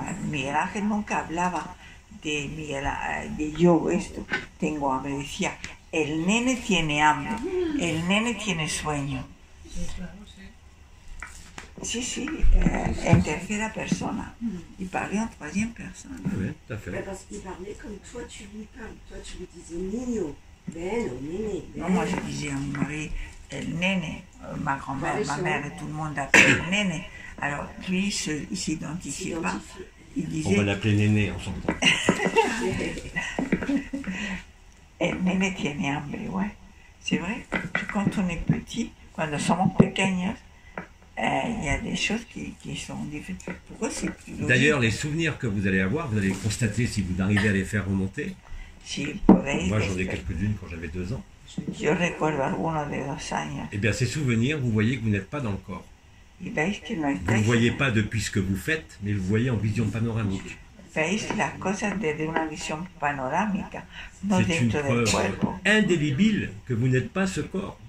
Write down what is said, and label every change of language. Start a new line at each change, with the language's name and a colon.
Spanish: Miguel Ángel nunca hablaba de Miguel, de yo esto. Tengo hambre. Decía, el néné tiene hambre. El néné tiene sueño. Sí, sí, en tercera persona.
French: Il parlait en troisième personne. Oui, tout à fait. Mais parce qu'il parlait comme toi, tu lui parles. Toi, tu lui disais
Spanish: niño, bello,
French: néné. Non, moi, je disais à mon mari,
Spanish: el néné.
French: Ma grand-mère, ma mère et tout le monde appelait néné. Alors, lui, il ne s'identifiait pas. Il disait, on va l'appeler néné, on s'entend.
Spanish: El néné tiene hambre, ouais.
French: C'est vrai, quand on est petit, quand nous sommes pequeños, il y a des choses qui sont difficiles. Pourquoi c'est plus logique? D'ailleurs, les souvenirs que vous allez avoir, vous allez constater si vous arrivez à les faire remonter. Si, moi, j'en ai quelques-unes quand j'avais 2 ans.
Spanish: Je recuerdo alguno de 2 años.
French: Eh bien, ces souvenirs, vous voyez que vous n'êtes pas dans le corps.
Spanish: Et veis que no
French: vous ne voyez pas depuis ce que vous faites, mais vous voyez en vision panoramique.
Spanish: Veis las cosas desde una visión panorámica, no dentro del cuerpo.
French: C'est une preuve indélébile que vous n'êtes pas ce corps.